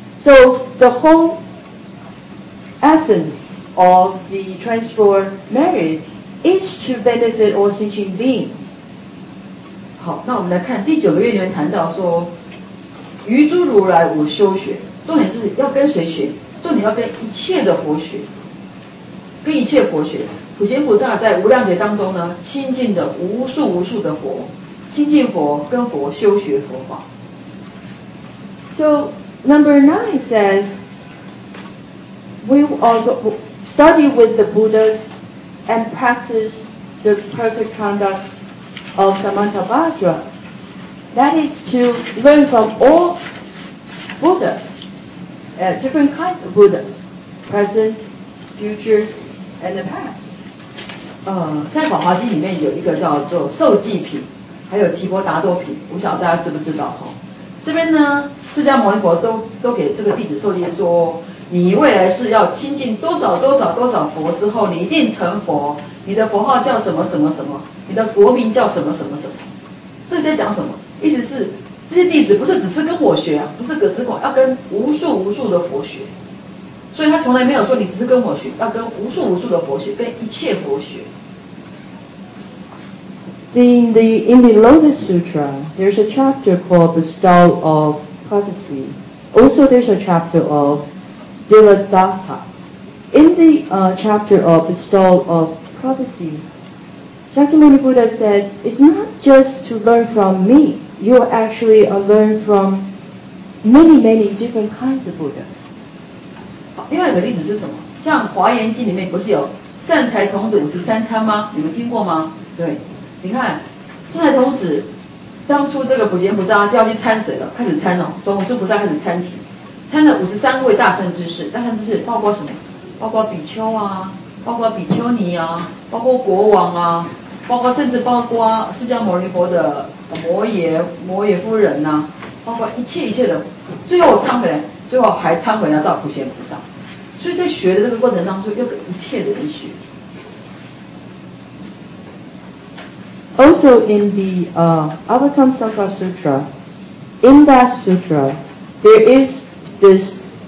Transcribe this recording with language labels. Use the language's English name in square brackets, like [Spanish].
[English] So the whole essence of the transfer merit is to benefit all sentient beings. [Chinese] 好，那我们来看第九个愿缘谈到说，于诸如来我修学，重点是要跟谁学？重点要跟一切的佛学，跟一切佛学。普贤菩萨在无量劫当中呢，亲近的无数无数的佛，亲近佛，跟佛修学佛法。 [English] So number nine says, we all study with the Buddhas and practice the perfect conduct of Samantabhadra. That is to learn from all Buddhas, different kinds of Buddhas, present, future, and the past. [Chinese] 在《法华经》里面有一个叫做受记品，还有提婆达多品，我想大家知不知道哈？这边呢，释迦牟尼佛都给这个弟子受记说，你未来是要亲近多少多少多少佛之后，你一定成佛。你的佛号叫什么什么什么？你的国名叫什么什么什么？这些讲什么？意思是这些弟子不是只是跟我学啊，不是只是跟我，要跟无数无数的佛学，所以他从来没有说你只是跟我学，要跟无数无数的佛学，跟一切佛学。 [English] In the Lotus Sutra there's a chapter called Bestowal of Prophecy. Also there's a chapter of Diladatta. In the chapter of Bestowal of Prophecy, Shakyamuni Buddha said, it's not just to learn from meYou actually are learned from many, many different kinds of Buddhas. [Chinese] 另外一个例子是什么？像《华严经》里面不是有善财童子五十三参吗？你们听过吗？对，你看善财童子当初这个普贤菩萨就要去参水了，开始参哦，从五十菩萨开始参起，参了五十三位大圣之士，大圣之士包括什么？包括比丘啊，包括比丘尼啊，包括国王啊，包括甚至包括释迦牟尼佛的摩耶夫人呐、啊，包括一切一切的，最后还参回来到普贤菩萨。所以在学的这个过程当中，又跟一切的人学。 [English] Also in the Avatamsaka Sutra, in that sutra, there is this